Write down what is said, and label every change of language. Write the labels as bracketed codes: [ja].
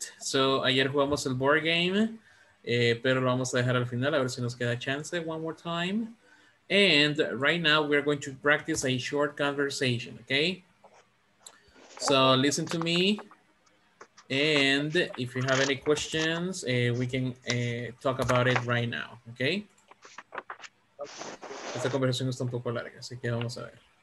[es] So, ayer jugamos el board game, pero lo vamos a dejar al final, a ver si nos queda chance [en] one more time. And right now, we're going to practice a short conversation, okay? So, listen to me. And if you have any questions, we can talk about it right now, okay? [es] Esta conversación está un poco larga, así que vamos a ver.